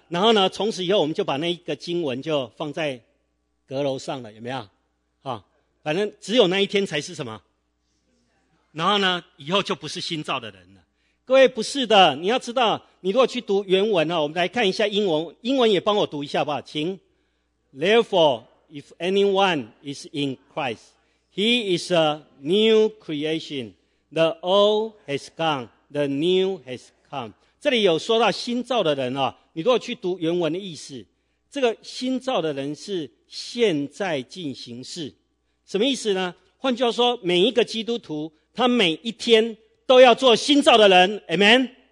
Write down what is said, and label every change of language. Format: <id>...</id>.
<zh>然后呢，从此以后我们就把那一个经文就放在阁楼上了，有没有？反正只有那一天才是什么？然后呢，以后就不是新造的人了。各位，不是的，你要知道，你如果去读原文我们来看一下英文，英文也帮我读一下吧，请。</zh> <en>Therefore, if anyone is in Christ, he is a new creation. The old has gone, the new has come.</en> <zh>这里有说到新造的人你如果去读原文的意思，这个新造的人是现在进行式，什么意思呢？换句话说，每一个基督徒，他每一天都要做新造的人， Amen。</zh>